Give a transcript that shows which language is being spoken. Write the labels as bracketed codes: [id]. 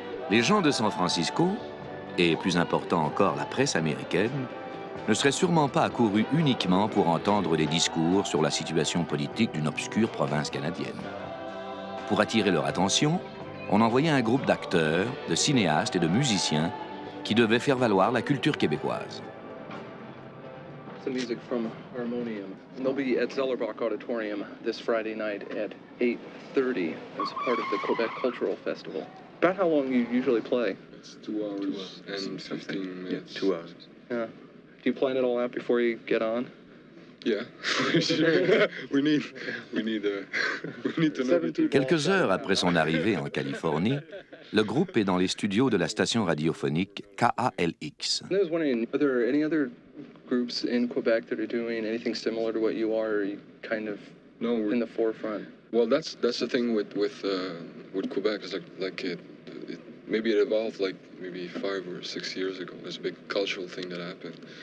[fr] Les gens de San Francisco, et plus important encore la presse américaine, ne seraient sûrement pas accourus uniquement pour entendre des discours sur la situation politique d'une obscure province canadienne. Pour attirer leur attention, on envoyait un groupe d'acteurs, de cinéastes et de musiciens qui devaient faire valoir la culture québécoise. [en] Some music from Harmonium. They'll be at Zellerbach Auditorium this Friday night at 8:30 as part of the Quebec Cultural Festival. About how long you usually play? It's 2 hours and 15 minutes. Yeah, 2 hours. Yeah. Do you plan it all out before you get on? Yeah. we need to know. [fr] Quelques heures après son arrivée en Californie, le groupe est dans les studios de la station radiophonique KALX. [en] I was wondering, are there any other groups in Quebec that are doing anything similar to what you are, or are you kind of in the forefront? Well, that's the thing with Quebec. It's like it maybe it evolved like maybe 5 or 6 years ago. It's a big cultural thing that happened.